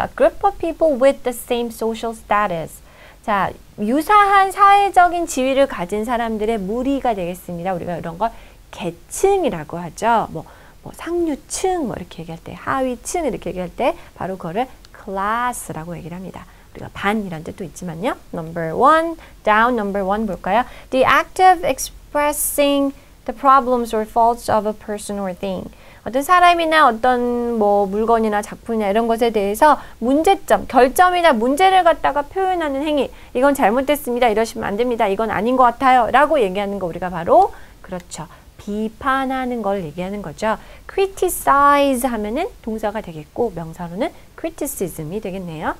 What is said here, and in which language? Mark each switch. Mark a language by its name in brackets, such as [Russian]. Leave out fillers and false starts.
[English] A group of people with the same social status. [Korean] 자, 유사한 사회적인 지위를 가진 사람들의 무리가 되겠습니다. 우리가 이런 걸 계층이라고 하죠. 뭐 상류층 뭐 이렇게 얘기할 때, 하위층 이렇게 얘기할 때 바로 그거를 class라고 얘기를 합니다. 우리가 반이라는 뜻도 있지만요. [English] Number one, down number one [Korean] 볼까요? [English] The act of expressing the problems or faults of a person or thing. [Korean] 어떤 사람이나 어떤 뭐 물건이나 작품이나 이런 것에 대해서 문제점, 결점이나 문제를 갖다가 표현하는 행위. 이건 잘못됐습니다. 이러시면 안 됩니다. 이건 아닌 것 같아요. 라고 얘기하는 거 우리가 바로, 그렇죠. 비판하는 걸 얘기하는 거죠. criticize 하면은 동사가 되겠고, 명사로는 criticism이 되겠네요.